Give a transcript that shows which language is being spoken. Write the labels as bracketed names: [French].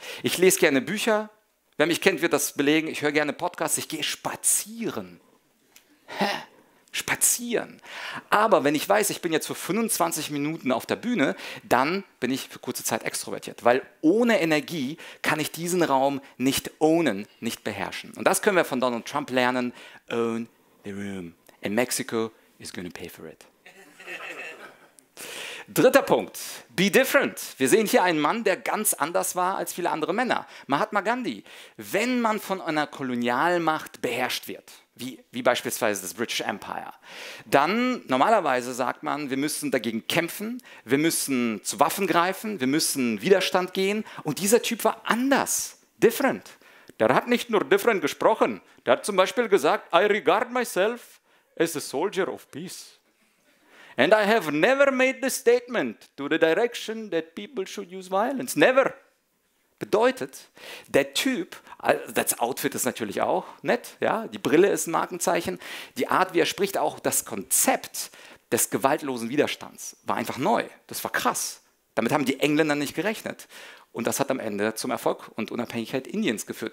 [German] Ich lese gerne Bücher, wer mich kennt, wird das belegen, ich höre gerne Podcasts, ich gehe spazieren. Spazieren. Aber wenn ich weiß, ich bin jetzt für 25 Minuten auf der Bühne, dann bin ich für kurze Zeit extrovertiert. Weil ohne Energie kann ich diesen Raum nicht ownen, nicht beherrschen. Und das können wir von Donald Trump lernen. [English] Own the room. And Mexico is gonna pay for it. [German] Dritter Punkt. [English] Be different. [German] Wir sehen hier einen Mann, der ganz anders war als viele andere Männer. Mahatma Gandhi. Wenn man von einer Kolonialmacht beherrscht wird, wie beispielsweise das British Empire, dann normalerweise sagt man, wir müssen dagegen kämpfen, wir müssen zu Waffen greifen, wir müssen Widerstand gehen. Und dieser Typ war anders, different. Der hat nicht nur different gesprochen, der hat zum Beispiel gesagt, [English] I regard myself as a soldier of peace. And I have never made the statement to the direction that people should use violence. Never. [German] Bedeutet, der Typ, das Outfit ist natürlich auch nett, ja? Die Brille ist ein Markenzeichen, die Art, wie er spricht, auch das Konzept des gewaltlosen Widerstands war einfach neu, das war krass. Damit haben die Engländer nicht gerechnet. Und das hat am Ende zum Erfolg und Unabhängigkeit Indiens geführt.